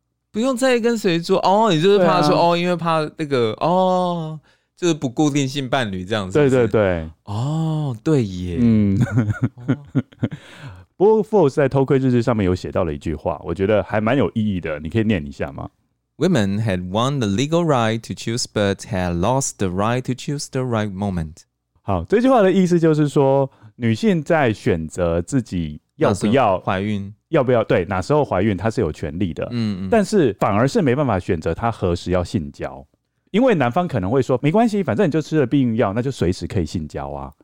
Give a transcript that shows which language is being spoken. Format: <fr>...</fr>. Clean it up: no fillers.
<zh>不用在意跟谁做哦，你就是怕说、啊、哦，因为怕那个哦，就是不固定性伴侣这样子，对对对，哦对耶，嗯不过 Force 在偷窥日志上面有写到了一句话，我觉得还蛮有意义的，你可以念一下吗？</zh> <en>Women had won the legal right to choose, but had lost the right to choose the right moment.</en> <zh>好，这句话的意思就是说，女性在选择自己要不要怀孕，要不要，对，哪时候怀孕，她是有权利的。嗯嗯，但是反而是没办法选择她何时要性交，因为男方可能会说，没关系，反正你就吃了避孕药，那就随时可以性交啊。</zh>